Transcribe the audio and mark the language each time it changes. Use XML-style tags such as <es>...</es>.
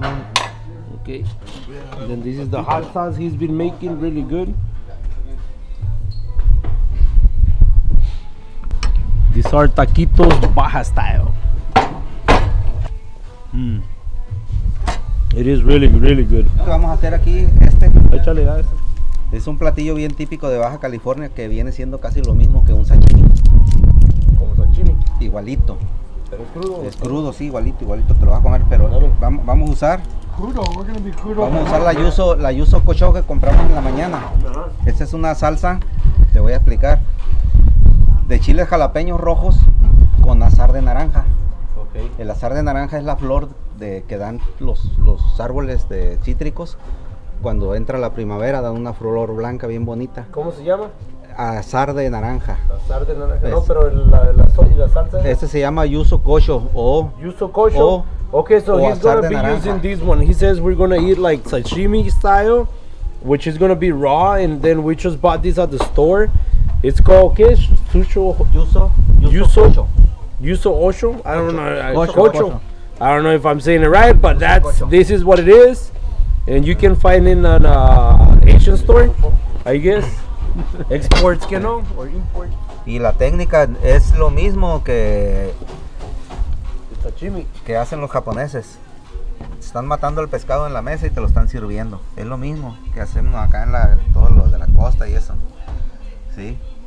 <en>no, then this is the hot sauce he's been making, really good. These are taquitos Baja style. It is really, really good.</en> <es>Lo que vamos a hacer aquí, este. Échale a eso. Es un platillo bien típico de Baja California que viene siendo casi lo mismo que un sashimi. ¿Como sashimi? Igualito. ¿Pero es crudo? Es crudo, sí, igualito, te lo vas a comer, pero vamos a usar.</es> <en>Crudo, we're gonna be crudo.</en> <es>Vamos a usar la yuso cochó que compramos en la mañana. Esta es una salsa, te voy a explicar, de chiles jalapeños rojos con azar de naranja. El azar de naranja es la flor que dan los árboles de cítricos cuando entra la primavera da una flor blanca bien bonita. ¿Cómo se llama? Azar de naranja. Azar de naranja, pues, no, pero la salsa. Este se llama yuzu cocho o.</es> <en>Yuzu cocho. Okay, so he's gonna be naranja. Using this one. He says we're gonna eat like sashimi style, which is gonna be raw, and then we just bought this at the store. It's called,</en> <es>¿qué es?</es> <en>Sucho. Yuzu cocho. Yuzu ocho? I don't know. Cocho. I don't know if I'm saying it right, but that's cocho. This is what it is. And you can find it in an Asian store, I guess. Exports,</en> <es>que no,</es> <en>or import.</en> <es>Y la técnica es lo mismo que el sashimi que hacen los japoneses. Están matando el pescado en la mesa y te lo están sirviendo. Es lo mismo que hacemos acá en todos los de la costa y eso. Sí.</es>